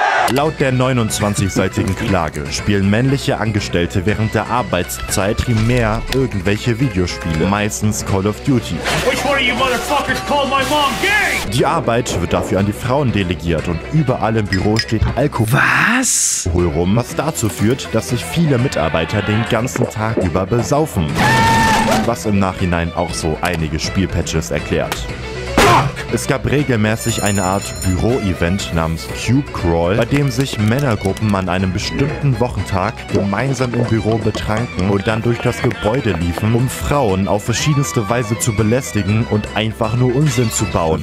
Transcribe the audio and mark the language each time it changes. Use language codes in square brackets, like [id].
[de] Laut der 29-seitigen Klage spielen männliche Angestellte während der Arbeitszeit primär irgendwelche Videospiele, meistens Call of Duty. [en] Which one of you motherfuckers called my mom gay? [de] Die Arbeit wird dafür an die Frauen delegiert und überall im Büro steht Alkohol. Was? Hol rum, was dazu führt, dass sich viele Mitarbeiter den ganzen Tag über besaufen. Was im Nachhinein auch so einige Spielpatches erklärt. Es gab regelmäßig eine Art Büro-Event namens Cube Crawl, bei dem sich Männergruppen an einem bestimmten Wochentag gemeinsam im Büro betranken und dann durch das Gebäude liefen, um Frauen auf verschiedenste Weise zu belästigen und einfach nur Unsinn zu bauen.